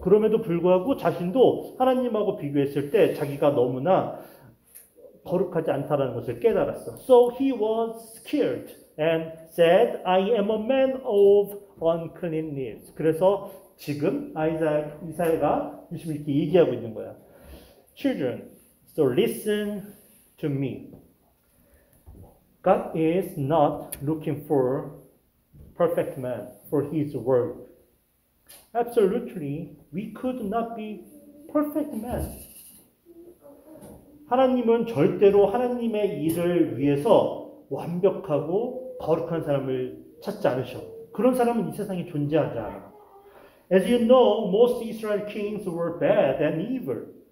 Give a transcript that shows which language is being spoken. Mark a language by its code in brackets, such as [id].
[ko] 그럼에도 불구하고 자신도 하나님하고 비교했을 때 자기가 너무나 거룩하지 않다라는 것을 깨달았어. [en] So he was scared and said, I am a man of unclean lips. [ko] 그래서 지금 이사야가 지금 이렇게 얘기하고 있는 거야. [en] Children, so listen to me. God is not looking for perfect man for his work. Absolutely, we could not be perfect man. [ko] 하나님은 절대로 하나님의 일을 위해서 완벽하고 거룩한 사람을 찾지 않으셔. 그런 사람은 이 세상에 존재하지 않아. [en] As you know, most Israel kings were bad and evil.